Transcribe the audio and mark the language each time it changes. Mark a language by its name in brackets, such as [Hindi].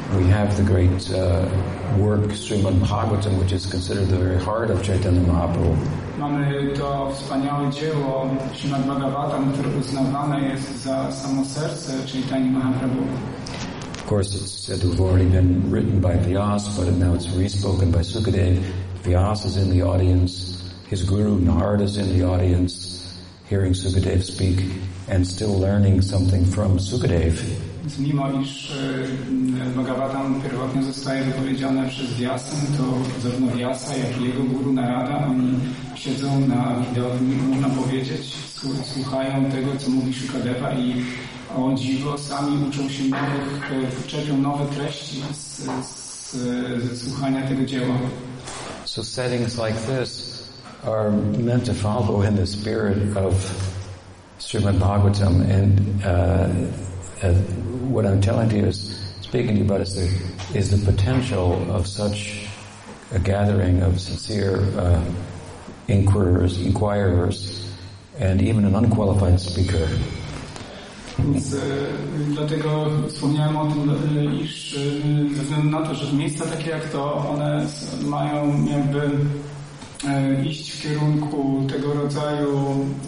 [English] We have the great work Srimad Bhagavatam, which is considered the very heart of Chaitanya Mahaprabhu. [Polish] Mamy to wspaniałe dzieło Srimad Bhagavatam, które uznawane jest za samo serce Chaitanya Mahaprabhu. [English] Of course, it's said to have already been written by Vyas, but now it's re-spoken by Sukadeva. Vyas is in the audience, his guru Narada is in the audience, hearing Sukadeva speak, and still learning something from Sukadeva. [Polish] Mimo iż Bhagavatam pierwotnie zostaje wypowiedziane przez Vyasa, to zarówno Vyasa, jak i jego guru Narada, oni siedzą na widowni, można powiedzieć, słuchają tego, co mówi Sukadeva i o dziwo, sami uczą się nowe treści z słuchania tego dzieła. [English] So settings like this are meant to follow in the spirit of Srimad Bhagavatam, and what I'm telling to you is speaking to you about is the potential of such a gathering of sincere inquirers and even an unqualified speaker. [Polish] Więc dlatego wspomniałem o tym, iż ze względu na to, że miejsca takie jak to, one mają jakby iść w kierunku tego rodzaju,